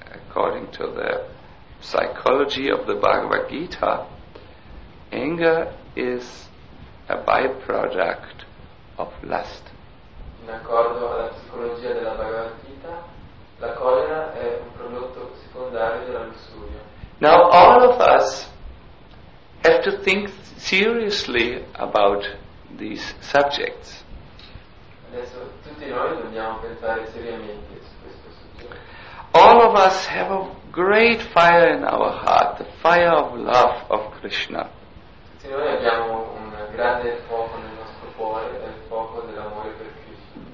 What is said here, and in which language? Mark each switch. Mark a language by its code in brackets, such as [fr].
[en] According to the psychology of the Bhagavad Gita, anger is a byproduct of lust. [it] In accordo alla psicologia della Bhagavad Gita, la collera è un prodotto secondario della lussuria. [en] Now all of us have to think seriously about these subjects. [it] Adesso tutti noi dobbiamo pensare seriamente su questo soggetto. [en] All of us have a great fire in our heart, the fire of love of Krishna. [it] Tutti noi abbiamo un grande fuoco nel nostro cuore, il fuoco dell'amore per Krishna.